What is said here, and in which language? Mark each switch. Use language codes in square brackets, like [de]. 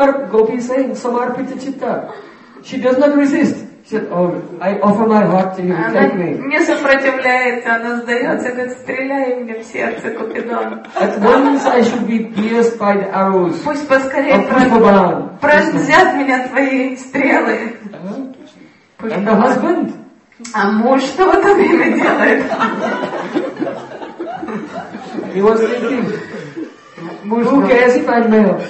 [en] Gopi is saying, [sa] Samarpita Chita. [en] She does not resist. I offer my heart to you, take me. [ru] Не сопротивляется, она сдается, говорит, стреляй мне в сердце, Купидон. [en] At once I should be pierced by the arrows. [ru] Пусть поскорее пронзят меня твои стрелы. [en] And the husband? [ru] А муж что в это время делает? [en] He was thinking. Who cares if I'm male?